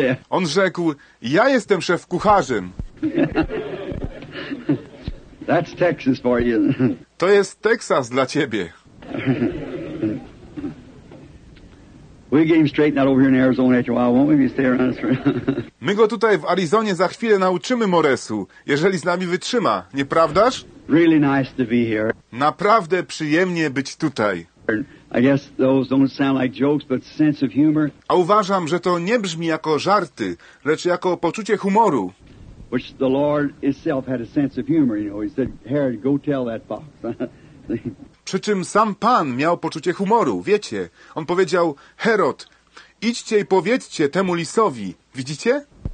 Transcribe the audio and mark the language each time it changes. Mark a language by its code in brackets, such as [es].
[pl] On rzekł, ja jestem szef-kucharzem. [en] That's Texas for you. [pl] To jest Teksas dla ciebie. [en] We get him straightened out over here in Arizona after a while, won't we? If you stay around us for... [pl] My go tutaj w Arizonie za chwilę nauczymy Moresu, jeżeli z nami wytrzyma, nieprawdaż? [en] Really nice to be here. [pl] Naprawdę przyjemnie być tutaj. [en] I guess those don't sound like jokes, but sense of humor. [pl] A uważam, że to nie brzmi jako żarty, lecz jako poczucie humoru. [en] Which the Lord himself had a sense of humor, you know. He said, Herod, go tell that fox. [pl] Przy czym sam Pan miał poczucie humoru, wiecie. On powiedział, Herod, idźcie i powiedzcie temu lisowi. Widzicie?